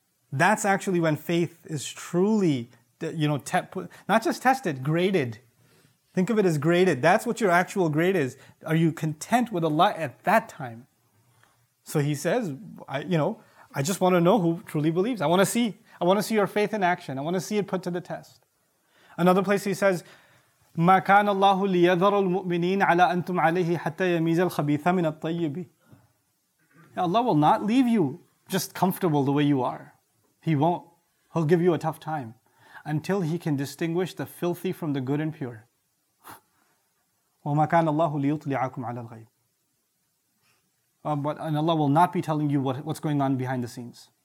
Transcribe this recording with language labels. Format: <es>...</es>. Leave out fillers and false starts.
<en>That's actually when faith is truly, you know, not just tested, graded. Think of it as graded. That's what your actual grade is. Are you content with Allah at that time? So he says, I just want to know who truly believes. I want to see your faith in action. I want to see it put to the test. Another place he says,</en> <ar>مَا كَانَ اللَّهُ لِيَذَرُ الْمُؤْمِنِينَ عَلَىٰ أَنْتُمْ عَلَيْهِ حَتَّى يَمِيزَ الْخَبِيثَ مِنَ الطَّيِّبِ.</ar> <en>Allah will not leave you just comfortable the way you are. He won't. He'll give you a tough time until He can distinguish the filthy from the good and pure.</en> <ar>وَمَا كَانَ اللَّهُ لِيُطْلِعَكُمْ عَلَى الْغَيْبِ.</ar> <en>And Allah will not be telling you what's going on behind the scenes.</en>